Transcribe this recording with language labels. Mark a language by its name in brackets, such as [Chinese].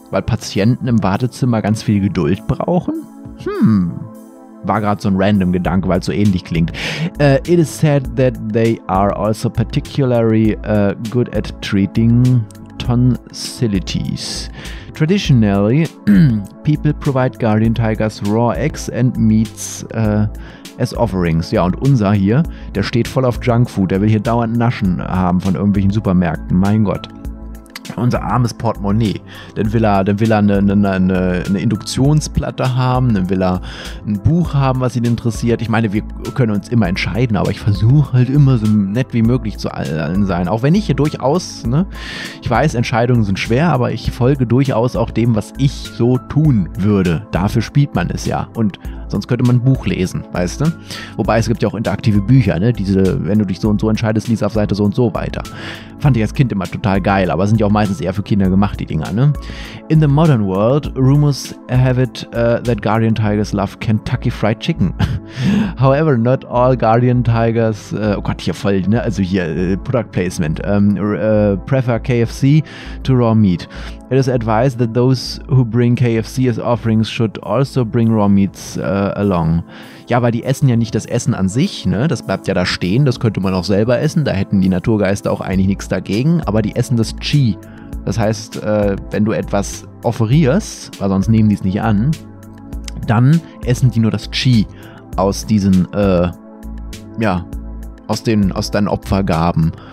[German] Weil Patienten im Wartezimmer ganz viel Geduld brauchen? War gerade so ein random Gedanke, weil es so ähnlich klingt. [English] It is said that they are also particularly good at treating tonsillitis. Traditionally, people provide guardian tigers raw eggs and meats as offerings. [German] Ja, und unser hier, der steht voll auf Junkfood. Der will hier dauernd Naschen haben von irgendwelchen Supermärkten. Mein Gott. Unser armes Portemonnaie. Dann will er eine Induktionsplatte haben. Dann will er ein Buch haben, was ihn interessiert. Ich meine, wir können uns immer entscheiden, aber ich versuche halt immer so nett wie möglich zu allen sein. Auch wenn ich hier durchaus, ne, ich weiß, Entscheidungen sind schwer, aber ich folge durchaus auch dem, was ich so tun würde. Dafür spielt man es ja. Und sonst könnte man ein Buch lesen, weißt du? Wobei es gibt ja auch interaktive Bücher, ne? Diese, wenn du dich so und so entscheidest, lies auf Seite so und so weiter. Fand ich als Kind immer total geil, aber sind ja auch meistens eher für Kinder gemacht, die Dinger, ne? [English] In the modern world, rumors have it that guardian tigers love Kentucky Fried Chicken. However, not all guardian tigers, Product Placement, prefer KFC to raw meat. It is advised that those who bring KFC as offerings should also bring raw meats along. [German] Ja, weil die essen ja nicht das Essen an sich, ne? Das bleibt ja da stehen, das könnte man auch selber essen. Da hätten die Naturgeister auch eigentlich nichts dagegen. Aber die essen das Chi. Das heißt, wenn du etwas offerierst, weil sonst nehmen die es nicht an, dann essen die nur das Chi aus diesen, aus deinen Opfergaben.